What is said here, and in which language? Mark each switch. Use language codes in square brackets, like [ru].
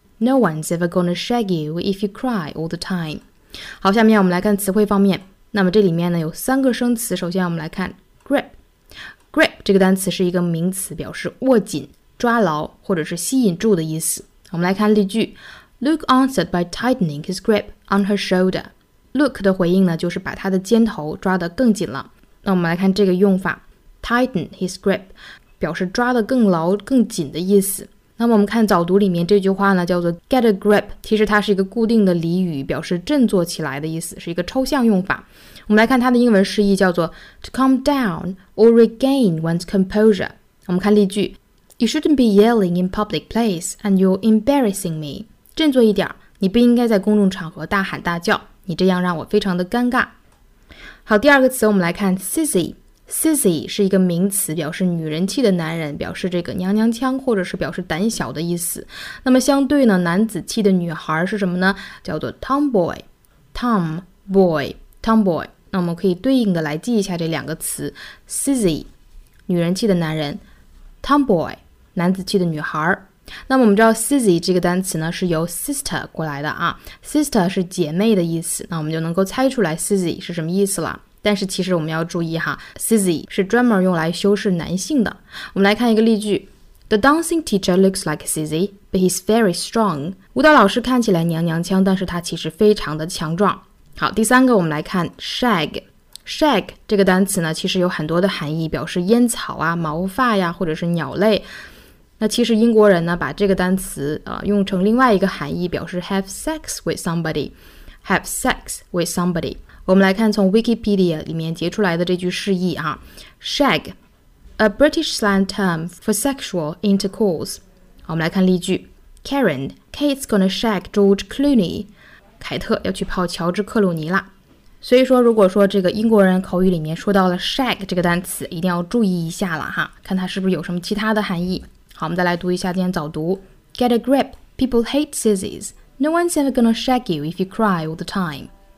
[en] No one's ever gonna shag you if you cry all the time. [zh] 好，下面我们来看词汇方面。那么这里面呢有三个生词，首先我们来看 grip。 Grip 这个单词是一个名词，表示握紧、抓牢或者是吸引住的意思。我们来看例句。 [en] Luke answered by tightening his grip on her shoulder. [zh] Luke 的回应呢就是把他的肩头抓得更紧了。那我们来看这个用法， tighten his grip 表示抓得更牢更紧的意思。那么我们看早读里面这句话呢叫做 get a grip， 其实它是一个固定的俚语，表示振作起来的意思，是一个抽象用法。我们来看它的英文释义，叫做 [en] to calm down or regain one's composure。 [zh] 我们看例句。 [en] You shouldn't be yelling in public place and you're embarrassing me。 [zh] 振作一点，你不应该在公众场合大喊大叫，你这样让我非常的尴尬。好，第二个词我们来看 sissy。sissy 是一个名词，表示女人气的男人，表示这个娘娘腔或者是表示胆小的意思。那么相对呢男子气的女孩是什么呢，叫做 tomboy， tomboy， tomboy。那我们可以对应的来记一下这两个词， sissy 女人气的男人， tomboy 男子气的女孩。那么我们知道 sissy 这个单词呢是由 sister 过来的啊， sister 是姐妹的意思，那我们就能够猜出来 sissy 是什么意思了。但是其实我们要注意哈， sissy 是专门用来修饰男性的。我们来看一个例句。 [en] The dancing teacher looks like sissy but he's very strong。 [zh] 舞蹈老师看起来娘娘腔，但是他其实非常的强壮。好，第三个我们来看 shag。shag 这个单词呢其实有很多的含义，表示烟草啊、毛发呀、或者是鸟类。那其实英国人呢把这个单词用成另外一个含义，表示 [en] have sex with somebody， [zh] have sex with somebody。我们来看从 Wikipedia 里面截出来的这句释义啊。 [en] shag， a British slang term for sexual intercourse。 [zh] 我们来看例句。 [en] Karen， Kate's gonna shag George Clooney。 [zh] 凯特要去泡乔治克鲁尼啦。所以说如果说这个英国人口语里面说到了 shag 这个单词，一定要注意一下了哈，看它是不是有什么其他的含义。好，我们再来读一下今天早读。 [en] Get a grip, people hate sissies. No one's ever gonna shag you if you cry all the time.